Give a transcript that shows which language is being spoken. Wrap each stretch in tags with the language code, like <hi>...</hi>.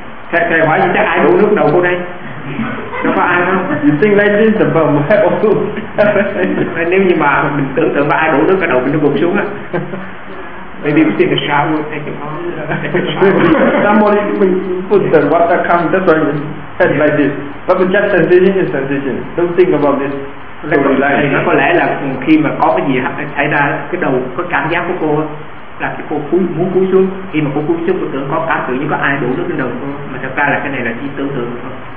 <vi>Thầy hỏi gì chắc ai đổ nước đầu cô đây? Nó có ai không?</vi> <en>You think like this, the bum head of who?</en> <vi>Nếu như mà mình tưởng tượng mà ai đổ nước cả đầu mình nó gục xuống á.</vi> <en>Maybe we see the shower, take it off. Somebody put the water come, that's why it's head like this. But it's just sensation, it's sensation. Don't think about this.</en> <vi>Nó có lẽ là khi mà có cái gì xảy ra, cái đầu, cái cảm giác của cô là cái cô muốn cúi xuống. Khi mà cô cúi xuống, cô tưởng có cảm tưởng như có ai đổ nước lên đầu cô. Mà thật ra là cái này là chỉ tưởng tượng thôi.</vi>